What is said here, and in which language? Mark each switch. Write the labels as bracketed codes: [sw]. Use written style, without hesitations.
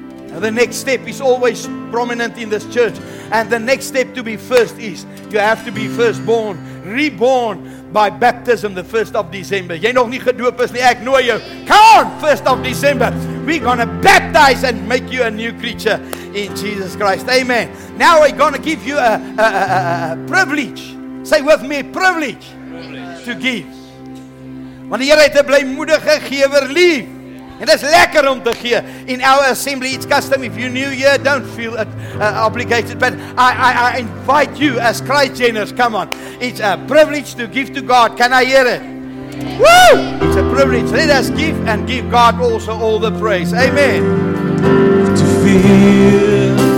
[en] Now the next step is always prominent in this church, and the next step to be first is, you have to be firstborn, reborn by baptism the 1st of December. [af] Jy nog nie gedoop is nie, ek nooi jou, [en] come on, 1st of December, we're gonna baptize and make you a new creature in Jesus Christ, Amen. Now we're gonna give you a privilege, say with me, privilege, privilege to give. [af] Want die Here het 'n blymoedige gewer lief. En dis lekker om te gee. [en] In our assembly, it's custom, if you're new here, don't feel obligated. But I invite you as Christ generous, come on. It's a privilege to give to God. Can I hear it? Woo! It's a privilege. Let us give and give God also all the praise. Amen. To feel